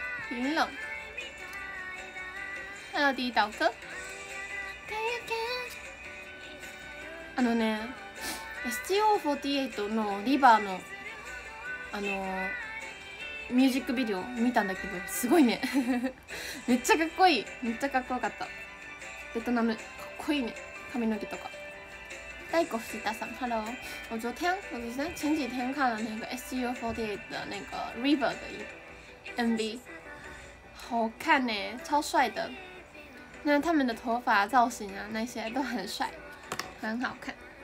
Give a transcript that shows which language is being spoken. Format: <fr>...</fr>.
<zh>云冷 ，Hello 第一道哥。</zh> <ja>あのね、STO48 のリバーのあのミュージックビデオ見たんだけど、すごいね。めっちゃかっこいい、めっちゃかっこよかった。ベトナムかっこいいね、髪の毛とか。大古福田さん、ハロー。</ja> <zh>我昨天，我昨天前几天看了那个 STO48 的那个 River 的 MV， 好看呢，超帅的。那他们的头发造型啊，那些都很帅，很好看。</zh>